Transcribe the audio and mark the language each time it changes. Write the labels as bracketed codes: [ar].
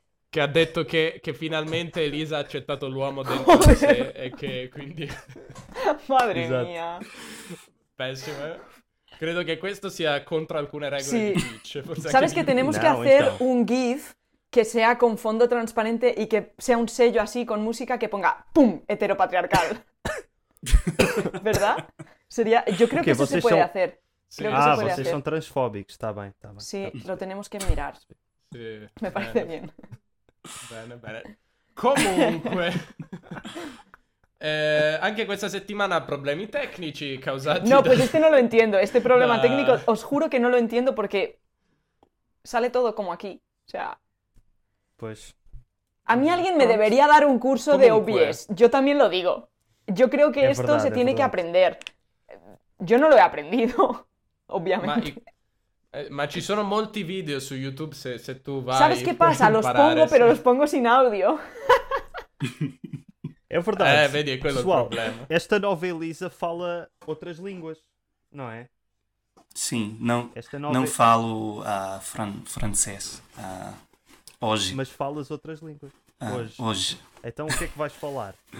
[it] Que ha detto che finalmente Elisa ha accettato l'uomo dentro di sé e che quindi... [es] Madre mia. [it] Pessimo, eh? [es] Credo que esto sea contra alguna regla sí. de Twitch. ¿Sabes que tenemos que hacer un GIF que sea con fondo transparente y que sea un sello así con música que ponga ¡pum! Heteropatriarcal. ¿Verdad? Sería... Yo creo que eso se puede hacer. Ah, vocês son transfóbicos, está bien. Sí, lo tenemos que mirar. Sí. Me parece bien. [it] Bene. Comunque... anche questa settimana problemi tecnici causati. [es] No, pues este no lo entiendo. Este problema técnico, os juro que no lo entiendo porque sale todo como aquí. O sea. Pues. A mí alguien me debería dar un curso de OBS. Yo también lo digo. Yo creo que esto se tiene que aprender. Yo no lo he aprendido, obviamente. [it] Ma ci sono molti video su YouTube [es] se tú vas. ¿Sabes qué pasa? Los pongo, pero los pongo sin audio. [pt] É verdade. [it] Vedi, é quello [pt] pessoal, [it] o problema. [pt] Esta nova Elisa fala outras línguas, não é? Sim, não. Esta nova... Não falo francês hoje. Mas falas outras línguas hoje. Então o que é que vais falar?